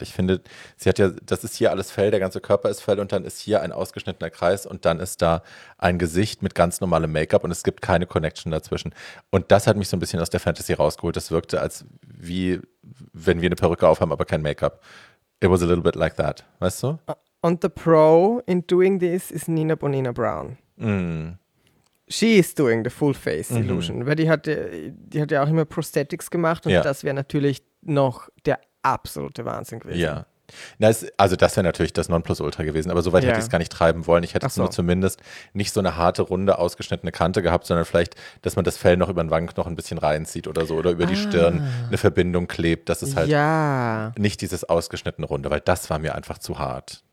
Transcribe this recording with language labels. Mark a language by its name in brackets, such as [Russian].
[German] Ich finde, sie hat ja, das ist hier alles Fell, der ganze Körper ist Fell und dann ist hier ein ausgeschnittener Kreis und dann ist da ein Gesicht mit ganz normalem Make-up und es gibt keine Connection dazwischen. Und das hat mich so ein bisschen aus der Fantasy rausgeholt. Das wirkte als wie, wenn wir eine Perücke aufhaben, aber kein Make-up. [English] It was a little bit like that, weißt du? And the pro in doing this is Nina Bonina Brown. Mm. [German] She is doing the full face illusion, weil die hat ja auch immer Prosthetics gemacht und das wäre natürlich noch der absolute Wahnsinn gewesen. Ja. Also das wäre natürlich das Nonplusultra gewesen, aber soweit hätte ich es gar nicht treiben wollen. Ich hätte es nur zumindest nicht so eine harte, runde, ausgeschnittene Kante gehabt, sondern vielleicht, dass man das Fell noch über den Wangenknochen ein bisschen reinzieht oder so oder über die Stirn eine Verbindung klebt, dass es halt nicht dieses ausgeschnittene Runde, weil das war mir einfach zu hart.